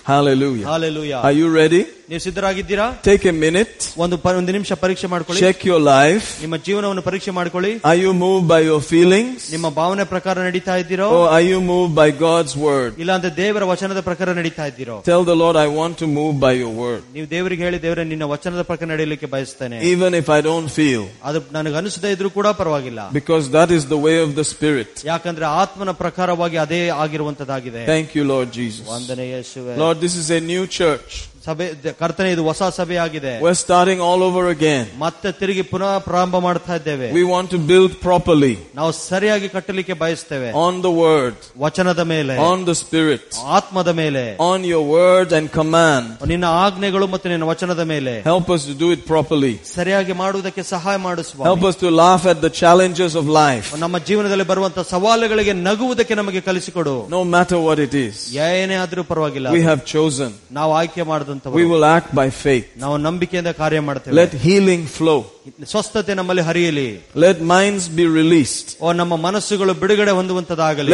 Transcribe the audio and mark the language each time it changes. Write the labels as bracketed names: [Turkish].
[English] Hallelujah. Hallelujah. Are you ready? [Kannada] ನೀವು ಸಿದ್ಧರಾಗಿದ್ದೀರಾ [English] Take a minute. [Kannada] ಒಂದು ನಿಮಿಷ ಪರೀಕ್ಷೆ ಮಾಡ್ಕೊಳ್ಳಿ [English] Check your life. [Kannada] ನಿಮ್ಮ ಜೀವನವನ್ನು ಪರೀಕ್ಷೆ ಮಾಡ್ಕೊಳ್ಳಿ [English] Are you moved by your feelings? [Kannada] ನಿಮ್ಮ ಭಾವನೆ ಪ್ರಕಾರ ನಡೀತಾ ಇದ್ದೀರೋ [English] Or are you moved by God's word? [Kannada] ಇಲ್ಲಾಂದ್ರೆ ದೇವರ ವಚನದ ಪ್ರಕಾರ ನಡೀತಾ ಇದ್ದೀರೋ [English] Tell the Lord I want to move by your word. [Kannada] ನೀವು ದೇವರಿಗೆ ಹೇಳಿ ದೇವರೇ ನಿನ್ನ ವಚನದ ಪ್ರಕಾರ ನಡೆಯಲಿಕ್ಕೆ ಬಯಸುತ್ತೇನೆ [English] Even if I don't feel. [Kannada] ಅದು ನನಗೆ ಅನಿಸದೇ ಇದ್ರೂ ಕೂಡ ಪರವಾಗಿಲ್ಲ [English] Because that is the way of the spirit. [Kannada] ಯಾಕಂದ್ರೆ ಆತ್ಮನ ಪ್ರಕಾರವಾಗಿ ಅದೇ ಆಗಿರುವಂತದಾಗಿದೆ [English] Thank you Lord Jesus. [Kannada] ವಂದನೆ ಯೇಸುವೇ [English] Lord this is a new church. [Kannada] ಸಭೆ ಕರ್ತನೆ ಇದು ಹೊಸ ಸಭೆ ಆಗಿದೆ [English] We're starting all over again. [Kannada] ಮತ್ತೆ ತಿರುಗಿ ಪುನಃ ಪ್ರಾರಂಭ ಮಾಡ್ತಾ ಇದ್ದೇವೆ [English] We want to build properly. [Kannada] ನಾವು ಸರಿಯಾಗಿ ಕಟ್ಟಲಿಕ್ಕೆ ಬಯಸ್ತೇವೆ [English] On the word. [Kannada] ವಚನದ ಮೇಲೆ [English] On the spirit. [Kannada] ಆತ್ಮದ ಮೇಲೆ [English] On your word and command. [Kannada] ನಿನ್ನ ಆಜ್ಞೆಗಳು ಮತ್ತು ನಿನ್ನ ವಚನದ ಮೇಲೆ [English] Help us to do it properly. [Kannada] ಸರಿಯಾಗಿ ಮಾಡುವುದಕ್ಕೆ ಸಹಾಯ ಮಾಡು ಸ್ವಾಮಿ [English] Help us to laugh at the challenges of life. [Kannada] ನಮ್ಮ ಜೀವನದಲ್ಲಿ ಬರುವಂತಹ ಸವಾಲುಗಳಿಗೆ ನಗುವುದಕ್ಕೆ ನಮಗೆ ಕಲಿಸಿಕೊಡು [English] No matter what it is. [Kannada] ಏನೇ ಆದರೂ ಪರವಾಗಿಲ್ಲ [English] We have chosen. [Kannada] ನಾವು ಆಯ್ಕೆ ಮಾಡಿದಂತ [English] We will act by faith. [Kannada] ನಾವು ನಂಬಿಕೆಯಿಂದ ಕಾರ್ಯ ಮಾಡುತ್ತೇವೆ [English] Let healing flow. [Kannada] ಸ್ವಸ್ಥತೆ ನಮ್ಮಲ್ಲಿ ಹರಿಯಲಿ [English] Let minds be released. [Kannada] ಓ ನಮ್ಮ ಮನಸ್ಸುಗಳು ಬಿಡುಗಡೆ ಹೊಂದುವಂತದಾಗಲಿ